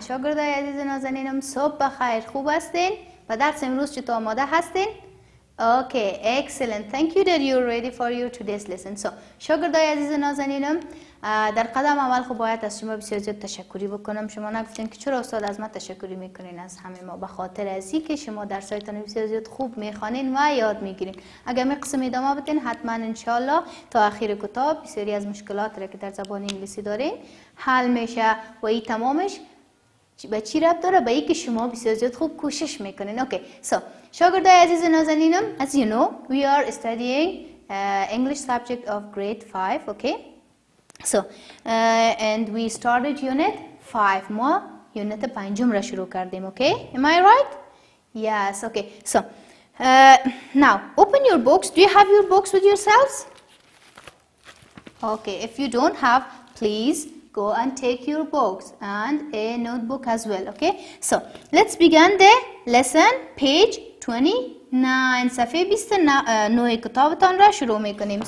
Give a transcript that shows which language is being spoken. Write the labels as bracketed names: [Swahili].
[Persian] شاگردای عزیز نازنینم صبح بخیر. خوب هستین؟ و درس امروز چی تو آماده هستین؟ [English] Okay, excellent. Thank you that you're ready for your today's lesson. [Persian] So, شاگردای عزیز نازنینم در قدم اول خوب باید از شما بسیار زیاد تشکری بکنم. شما نگفتین که چرا استاد از ما تشکری میکنین از همه ما به خاطر از این که شما درسایتان بسیار زیاد خوب میخوانین و یاد میگیرین. اگر می قسم ادامه بدین حتما انشاءالله تا آخر کتاب بسیاری از مشکلات را که در زبان انگلیسی دارین حل میشه و این تمامش به چی ربط داره؟ به اینکه شما بسیار زیاد خوب کوشش میکنین. [English] okay so [Persian] شاگردای عزیز نازنینم [English] as you know we are studying English subject of grade 5 okay So, and we started unit 5. [Persian] ما یونت پنجم را شروع کردیم. [English] Okay? Am I right? Yes. Okay. So, now, open your books. Do you have your books with yourselves? Okay. If you don't have, please go and take your books and a notebook as well. Okay? So, let's begin the lesson. Page 29. [Persian] صفحه 29 کتابتان را شروع میکنیم.